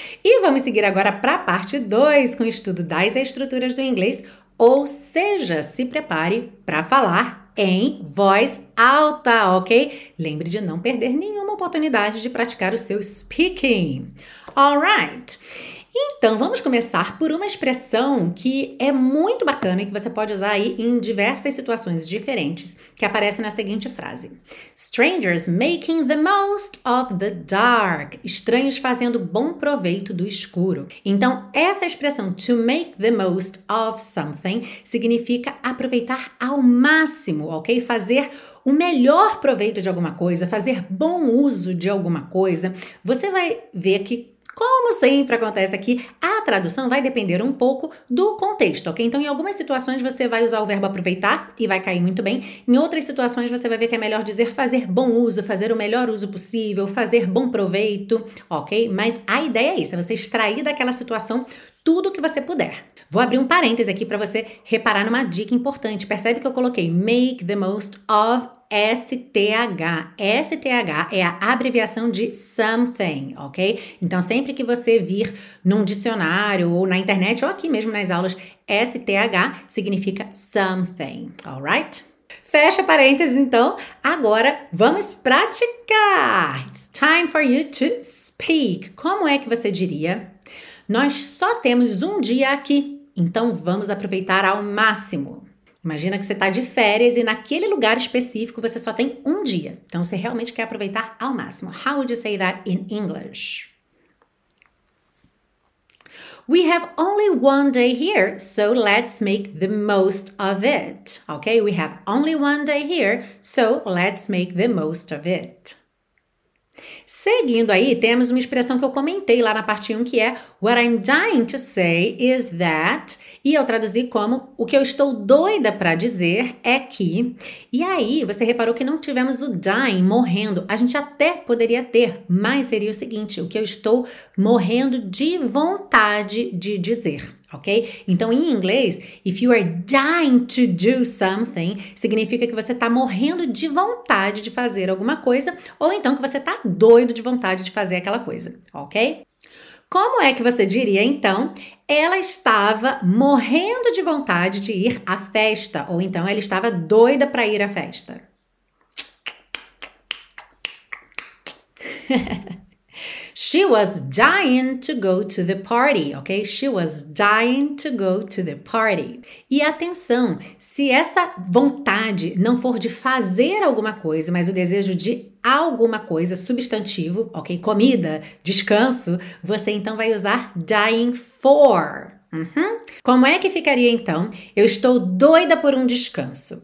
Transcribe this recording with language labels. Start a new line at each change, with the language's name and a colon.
Portuguese: E vamos seguir agora para a parte 2 com o estudo das estruturas do inglês, ou seja, se prepare para falar em voz alta, ok? Lembre de não perder nenhuma oportunidade de praticar o seu speaking. Alright! Então, vamos começar por uma expressão que é muito bacana e que você pode usar aí em diversas situações diferentes, que aparece na seguinte frase.
English: Strangers making the most of the dark.
Portuguese: Estranhos fazendo bom proveito do escuro. Então, essa expressão,
English: to make the most of something,
Portuguese: significa aproveitar ao máximo, ok? Fazer o melhor proveito de alguma coisa, fazer bom uso de alguma coisa. Você vai ver que Como sempre acontece aqui, a tradução vai depender um pouco do contexto, ok? Então, em algumas situações você vai usar o verbo aproveitar e vai cair muito bem. Em outras situações você vai ver que é melhor dizer fazer bom uso, fazer o melhor uso possível, fazer bom proveito, ok? Mas a ideia é isso, é você extrair daquela situação tudo que você puder. Vou abrir um parêntese aqui para você reparar numa dica importante. Percebe que eu coloquei
English: make the most of STH.
Portuguese: STH é a abreviação de something, ok? Então, sempre que você vir num dicionário ou na internet ou aqui mesmo nas aulas, STH significa something, alright? Fecha parênteses, então. Agora, vamos praticar!
English: It's time for you to speak.
Portuguese: Como é que você diria? Nós só temos um dia aqui, então vamos aproveitar ao máximo. Imagina que você está de férias e naquele lugar específico você só tem um dia. Então você realmente quer aproveitar ao máximo.
English: How would you say that in English? We have only one day here, so let's make the most of it. Okay? We have only one day here, so let's make the most of it.
Portuguese: Seguindo aí, temos uma expressão que eu comentei lá na parte 1, que é
English: What I'm dying to say is that.
Portuguese: E eu traduzi como o que eu estou doida para dizer é que. E aí, você reparou que não tivemos o dying, morrendo. A gente até poderia ter, mas seria o seguinte: o que eu estou morrendo de vontade de dizer. Ok? Então, em inglês,
English: if you are dying to do something,
Portuguese: significa que você está morrendo de vontade de fazer alguma coisa, ou então que você está doido de vontade de fazer aquela coisa, ok? Como é que você diria, então, ela estava morrendo de vontade de ir à festa, ou então ela estava doida para ir à festa?
English: She was dying to go to the party, ok? She was dying to go to the party.
Portuguese: E atenção, se essa vontade não for de fazer alguma coisa, mas o desejo de alguma coisa, substantivo, ok? Comida, descanso, você então vai usar dying for. Como é que ficaria então? Eu estou doida por um descanso.